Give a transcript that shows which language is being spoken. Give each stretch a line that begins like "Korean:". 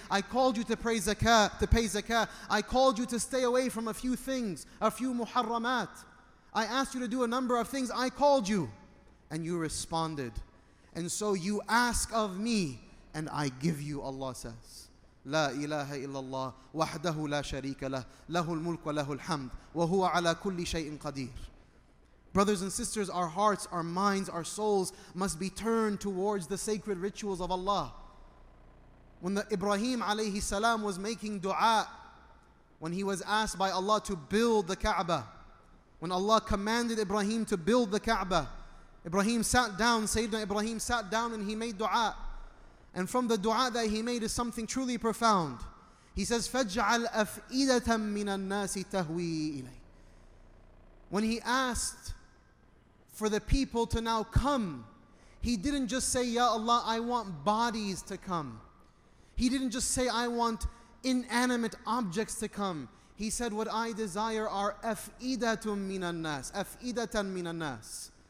English: I called you to pray zakah, to pay zakah. I called you to stay away from a few things, a few muharramat. I asked you to do a number of things. I called you and you responded. And so you ask of me, and I give you, Allah says.
Arabic: لا إله إلا الله وحده لا شريك له له الملك وله الحمد وهو على كل شيء قدير.
English: Brothers and sisters, our hearts, our minds, our souls must be turned towards the sacred rituals of Allah. When the Ibrahim alayhi salam was making dua, when he was asked by Allah to build the Kaaba, when Allah commanded Ibrahim to build the Kaaba, Ibrahim sat down, Sayyidina Ibrahim sat down and he made dua. And from the dua that he made is something truly profound. He says,
Arabic: فَاجْعَلْ أَفْئِدَةً مِنَ النَّاسِ تَهْوِي إِلَيْهِ.
English: When he asked for the people to now come, he didn't just say, Ya Allah, I want bodies to come. He didn't just say, I want inanimate objects to come. He said, what I desire are
Arabic: أَفْئِدَةٌ مِنَ النَّاسِ أَفْئِدَةً مِنَ النَّاسِ.